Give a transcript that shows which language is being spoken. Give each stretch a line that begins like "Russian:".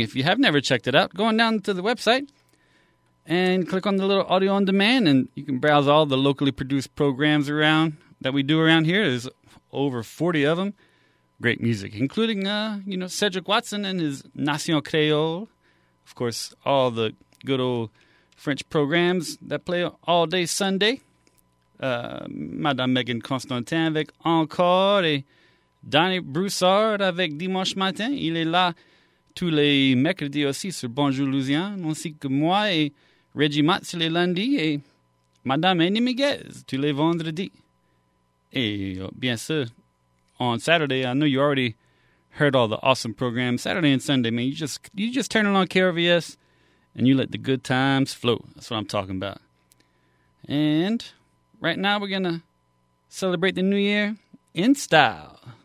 English: If you have never checked it out, go on down to the website and click on the little audio on demand, and you can browse all the locally produced programs around that we do around here. There's over 40 of them. Great music, including Cedric Watson and his Nation Creole. Of course, all the good old French programs that play all day Sunday.
French: Madame Megan Constantin avec Encore et Danny Broussard avec Dimanche Matin. Il est là tous les mercredis aussi sur Bonjour Louisiane, ainsi que moi et Reggie Matz les lundis et Madame Annie Miguez tous les vendredis. Et bien sûr,
English: on Saturday, I know you already heard all the awesome programs Saturday and Sunday, man. You just turn it on KRVS and you let the good times flow. That's what I'm talking about. And right now we're going to celebrate the new year in style.